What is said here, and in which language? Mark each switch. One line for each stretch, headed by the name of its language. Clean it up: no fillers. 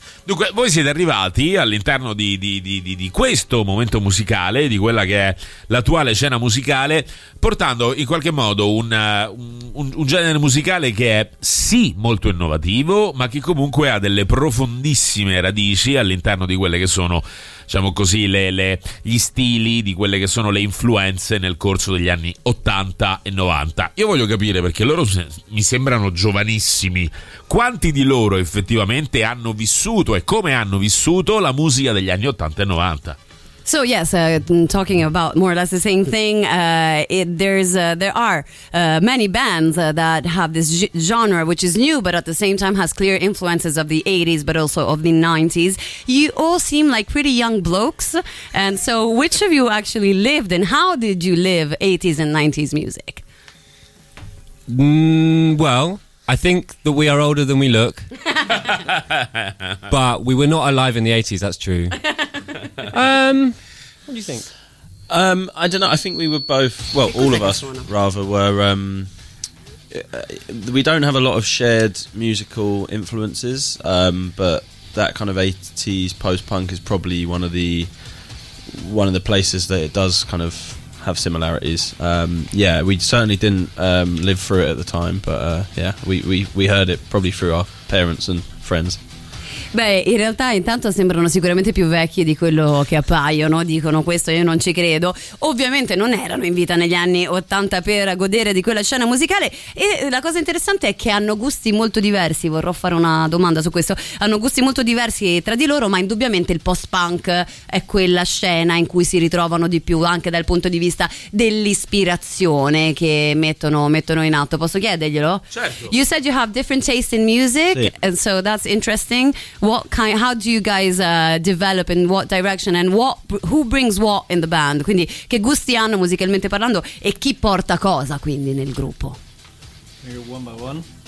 Italian: Dunque, voi siete arrivati all'interno di questo momento musicale, di quella che è l'attuale scena musicale, portando in qualche modo un genere musicale che è sì molto innovativo, ma che comunque ha delle profondissime radici all'interno di quelle che sono, diciamo così, gli stili, di quelle che sono le influenze nel corso degli anni 80 e 90. Io voglio capire, perché loro mi sembrano giovanissimi, quanti di loro effettivamente hanno vissuto e come hanno vissuto la musica degli anni 80 e 90?
English: So yes, talking about more or less the same thing, there are many bands that have this genre which is new, but at the same time has clear influences of the 80s, but also of the 90s. You all seem like pretty young blokes, and so which of you actually lived and how did you live 80s and 90s music? Well, I think that we are older than we look, but we were not alive in the 80s, that's true. What do you think? I don't know. I think we were both, well, all of us rather, were, we don't have a lot of shared musical influences, but that kind of 80s post-punk is probably one of the places that it does kind of have similarities. Yeah, we certainly didn't live through it at the time, but yeah, we heard it probably through our parents and friends.
Italian: Beh, in realtà intanto sembrano sicuramente più vecchi di quello che appaiono, dicono questo, io non ci credo. Ovviamente non erano in vita negli anni 80 per godere di quella scena musicale. E la cosa interessante è che hanno gusti molto diversi, vorrò fare una domanda su questo. Hanno gusti molto diversi tra di loro, ma indubbiamente il post-punk è quella scena in cui si ritrovano di più, anche dal punto di vista dell'ispirazione che mettono in atto. Posso chiederglielo? Certo.
English: You said you have different tastes in music,
Italian: sì.
English: And so that's interesting. What kind? How do you guys develop? In what direction? And what?
Italian: Who brings what in the band? Quindi, che gusti hanno musicalmente parlando? E chi porta cosa quindi nel gruppo?
English: We go one by one.